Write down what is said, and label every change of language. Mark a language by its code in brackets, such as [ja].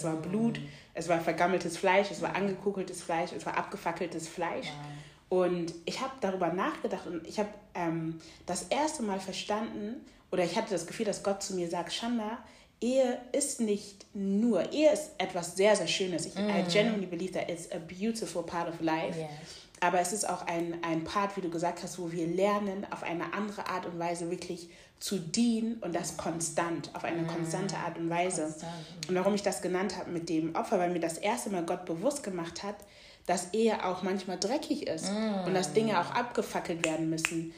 [de] Es war Blut, es war vergammeltes Fleisch, es war angekokeltes Fleisch, es war abgefackeltes Fleisch. Wow. Und ich habe darüber nachgedacht und ich habe das erste Mal verstanden, oder ich hatte das Gefühl, dass Gott zu mir sagt, Shanda, Ehe ist nicht nur, Ehe ist etwas sehr, sehr Schönes. [en] I genuinely believe that it's a beautiful part of life. Yes. [de] Aber es ist auch ein Part, wie du gesagt hast, wo wir lernen, auf eine andere Art und Weise wirklich zu dienen und das konstant, auf eine konstante Art und Weise. Konstant. Und warum ich das genannt habe mit dem Opfer, weil mir das erste Mal Gott bewusst gemacht hat, dass Ehe auch manchmal dreckig ist und dass Dinge auch abgefackelt werden müssen.